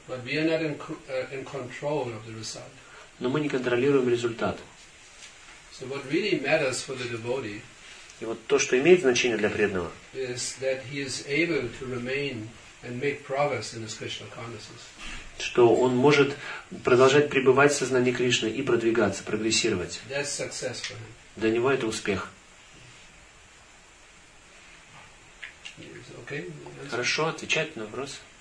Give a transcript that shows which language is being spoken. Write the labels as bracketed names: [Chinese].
[English] But we are not in control of the result. [Russian] Но мы не контролируем результат. [English] So what really matters for the devotee? [Russian] И вот то, что имеет значение для преданного. [English] Is that he is able to remain and make progress in his Krishna consciousness. [Russian] Что он может продолжать пребывать в сознании Кришны и продвигаться, прогрессировать. Для него это успех. [English] Okay. [Russian] Хорошо, отвечать на вопрос?